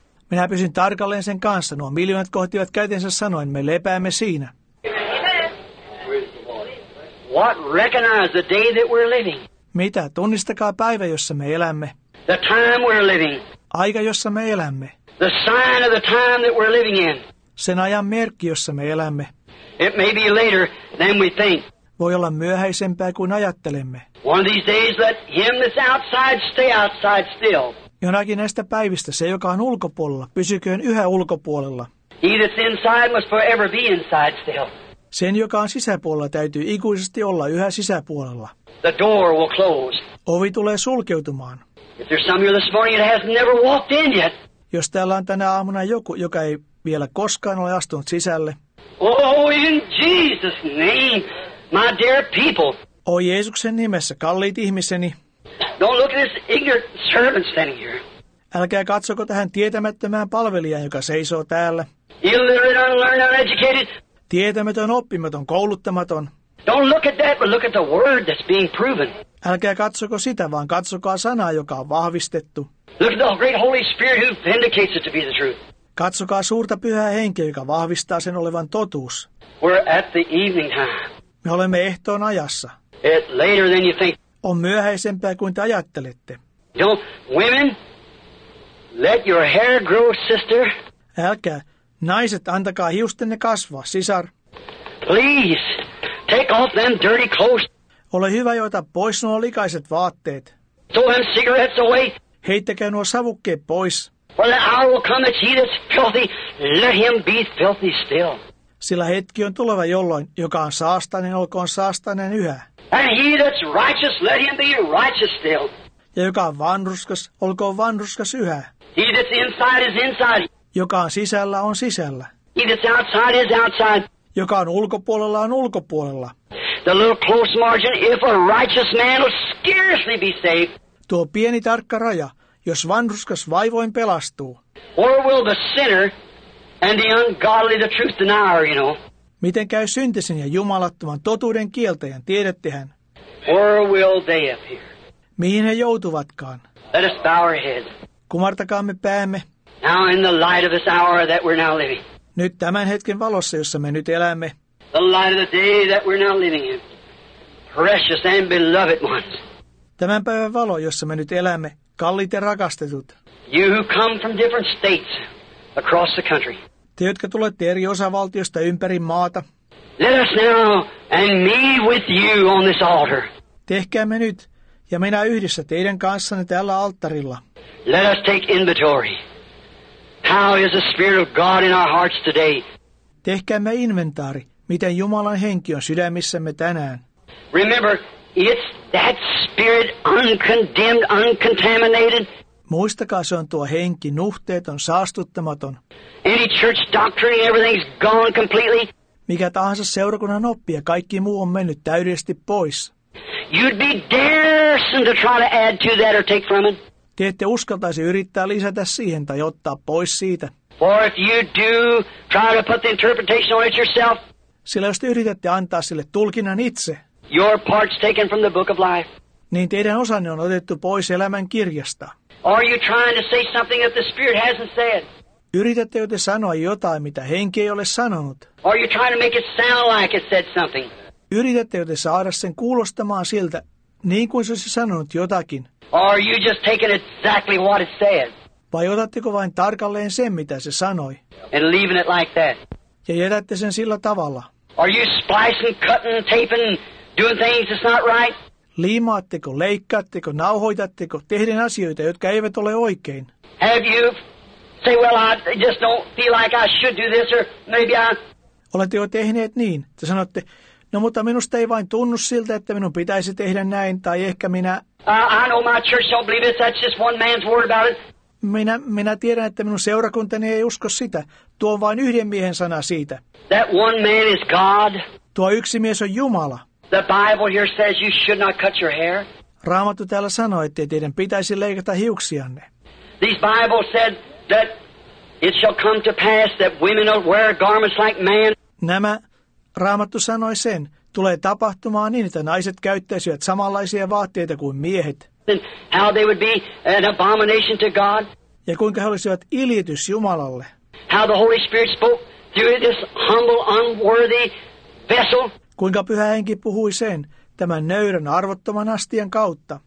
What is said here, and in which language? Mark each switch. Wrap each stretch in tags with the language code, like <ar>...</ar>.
<fi>Minä pysyn tarkalleen sen kanssa. Nuo miljoonat kohtivat käytensä sanoen, me lepäämme siinä.</fi> <en>What recognize the day that we're living?</en> <fi>Mitä? Tunnistakaa päivä, jossa me elämme.</fi> <en>The time we're living.</en> <fi>Aika, jossa me elämme.</fi> <en>The sign of the time that we're living in.</en> <fi>Sen ajan merkki, jossa me elämme.</fi> <en>It may be later than we think.</en> <fi>Voi olla myöhäisempää kuin ajattelemme.</fi> <en>One of these days, let him that's outside stay outside still.</en> <fi>Jonakin näistä päivistä se, joka on ulkopuolella, pysyköön yhä ulkopuolella.</fi> <en>He that's inside must forever be inside still.</en> <fi>Sen, joka on sisäpuolella, täytyy ikuisesti olla yhä sisäpuolella.</fi> <en>The door will close.</en> <fi>Ovi tulee sulkeutumaan.</fi> <en>If there's some here this morning that has never walked in yet.</en> <fi>Jos täällä on tänä aamuna joku, joka ei vielä koskaan ole astunut sisälle.</fi> <en>Oh, in Jesus' name, my dear people.</en> <fi>Oi Jeesuksen nimessä, kalliit ihmiseni.</fi> <en>Don't look at this ignorant servant standing here.</en> <fi>Älkää katsoko tähän tietämättömään palvelijaan, joka seisoo täällä.</fi> <en>Illiterate, unlearned, uneducated.</en> <fi>Tietämätön, oppimaton, kouluttamaton.</fi> <en>Don't look at that, but look at the word that's being proven.</en> <fi>Älkää katsoko sitä, vaan katsokaa sanaa, joka on vahvistettu.</fi> <en>Look at the great Holy Spirit who vindicates it to be the truth.</en> <fi>Katsokaa suurta pyhää henkeä, joka vahvistaa sen olevan totuus.</fi> <en>We're at the evening time.</en> <fi>Me olemme ehtoon ajassa.</fi> <en>It's later than you think.</en> <fi>On myöhäisempää kuin te ajattelette.</fi> <en>You know, women, let your hair grow, sister.</en> <fi>Älkää, naiset, antakaa hiustenne kasvaa, sisar.</fi> <en>Please, take off them dirty clothes.</en> <fi>Ole hyvä, joita pois nuo likaiset vaatteet.</fi> <en>Throw them cigarettes away.</en> <fi>Heittäkää nuo savukkeet pois.</fi> <en>For the hour will come that he that's filthy, let him be filthy still.</en> <fi>Sillä hetki on tuleva, jolloin joka on saastainen, olkoon saastainen yhä.</fi> <en>And he that's righteous, let him be righteous still.</en> <fi>Ja joka on vanhurskas, olkoon vanhurskas yhä.</fi> <en>He that's inside is inside.</en> <fi>Joka on sisällä, on sisällä.</fi> <en>He that's outside is outside.</en> <fi>Joka on ulkopuolella, on ulkopuolella.</fi> <en>The little close margin, if a righteous man will scarcely be saved.</en> <fi>Tuo pieni tarkka raja. Jos vanhurskas vaivoin pelastuu.</fi> <en>Or will the sinner and the ungodly the truth denier, you know?</en> <fi>Miten käy syntisen ja jumalattoman totuuden kieltäjän, tiedättehän?</fi> <en>Or will they appear?</en> <fi>Mihin he joutuvatkaan?</fi> <en>Let us bow our heads.</en> <fi>Kumartakaamme päämme.</fi> <en>Now in the light of this hour that we're now living.</en> <fi>Nyt tämän hetken valossa, jossa me nyt elämme.</fi> <en>The light of the day that we're now living in. Precious and beloved ones.</en> <fi>Tämän päivän valo, jossa me nyt elämme. Kalliit ja rakastetut.</fi> <en>You who come from different states across the country.</en> <fi>Te, jotka tulette eri osavaltiosta ympäri maata.</fi> <en>Let us now and me with you on this altar.</en> <fi>Tehkäämme nyt ja minä yhdessä teidän kanssanne tällä alttarilla.</fi> <en>Let us take inventory. How is the Spirit of God in our hearts today?</en> <fi>Tehkäämme inventaari, miten Jumalan henki on sydämissämme tänään.</fi> <en>Remember, it's that spirit uncondemned, uncontaminated.</en> <fi>Muistakaa, se on tuo henki, nuhteeton, saastuttamaton.</fi> <en>Any church doctrine, everything's gone completely.</en> <fi>Mikä tahansa seurakunnan oppi ja kaikki muu on mennyt täydellisesti pois.</fi> <en>You'd be daresome to try to add to that or take from it.</en> <fi>Te ette uskaltaisi yrittää lisätä siihen tai ottaa pois siitä.</fi> <en>For if you do try to put the interpretation on it yourself.</en> <fi>Sillä jos te yritätte antaa sille tulkinnan itse.</fi> <en>Your part's taken from the book of life.</en> <fi>Niin teidän osanne on otettu pois elämän kirjasta.</fi> <en>Are you trying to say something that the Spirit hasn't said?</en> <fi>Yritättekö te sanoa jotain, mitä henki ei ole sanonut?</fi> <en>Are you trying to make it sound like it said something?</en> <fi>Yritättekö te saada sen kuulostamaan siltä, niin kuin se olisi sanonut jotakin?</fi> <en>Are you just taking exactly what it said?</en> <fi>Vai otatteko vain tarkalleen sen, mitä se sanoi?</fi> <en>And leaving it like that.</en> <fi>Ja jätätte sen sillä tavalla.</fi> <en>Are you splicing, cutting, taping? doing things that's not right?</en> <fi>Liimaatteko, leikkaatteko, nauhoitatteko, tehden asioita, jotka eivät ole oikein?</fi> <en>Have you say, well, I just don't feel like I should do this, or maybe I...</en> <fi>Oletteko tehneet niin, että sanotte, no mutta minusta ei vain tunnu siltä, että minun pitäisi tehdä näin, tai ehkä minä...</fi> <en>I know my church don't believe it, that's just one man's word about it.</en> <fi>Minä tiedän, että minun seurakuntani ei usko sitä. Tuo on vain yhden miehen sana siitä.</fi> <en>That one man is God.</en> <fi>Tuo yksi mies on Jumala.</fi> <en>The Bible here says you should not cut your hair.</en> <fi>Raamattu täällä sanoi, että teidän pitäisi leikata hiuksianne.</fi> <en>These Bible said that it shall come to pass that women will wear garments like men.</en> <fi>Nämä Raamattu sanoi sen, tulee tapahtumaan niin, että naiset käyttäisivät samanlaisia vaatteita kuin miehet.</fi> <en>And how they would be an abomination to God.</en> <fi>Ja kuinka he olisivat iljetys Jumalalle.</fi> <en>How the Holy Spirit spoke through this humble, unworthy vessel.</en> <fi>Kuinka Pyhä Henki puhui sen, tämän nöyrän arvottoman astian kautta.</fi>